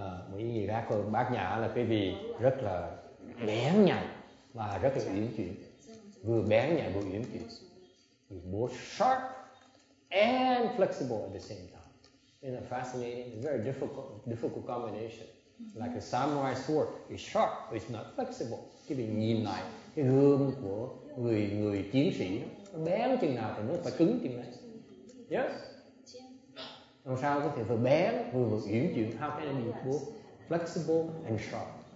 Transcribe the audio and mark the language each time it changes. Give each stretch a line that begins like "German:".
Vietnamese: Một ý nghĩa khác của bát nhã là quý vị rất là bén nhạy và rất là uyển chuyển, vừa bén nhạy vừa uyển chuyển,
English: both sharp and flexible at the same time. It's a fascinating, very difficult combination. Like a samurai sword is sharp, but it's not flexible.
Vietnamese: Khi mình nhìn lại cái gươm của người chiến sĩ, nó bén chừng nào thì nó phải cứng chừng đấy. Yes. Làm sao có thể vừa bén vừa uyển chuyển?
English: How can it be both flexible and sharp?